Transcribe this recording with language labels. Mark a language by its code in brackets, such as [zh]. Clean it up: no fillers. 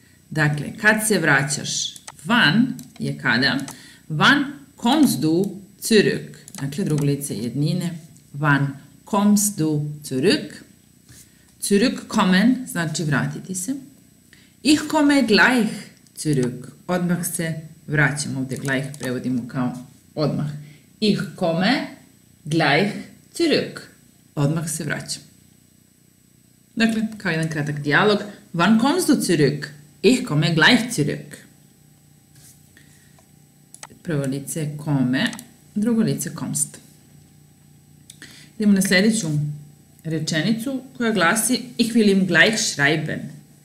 [sr] Dakle, kad se vraćaš? Wann je kada? [de] Wann kommst du zurück? [sr] Dakle, drugo lice jednine. [de] Wann kommst du zurück? Zurück kommen [sr] znači vratiti se. [de] Ich komme gleich zurück. [sr] Odmah se vraćam. Ovde gleich prevodimo kao odmah. [de] Ich komme gleich zurück. [sr] Odmah se vraćam. Dakle, kao jedan kratak dijalog. [de] Wann kommst du zurück? Ich komme gleich zurück. [sr] Prvo lice komme, drugo lice komst. Idemo na sljedeću rečenicu koja glasi [de] Ich will ihm gleich schreiben.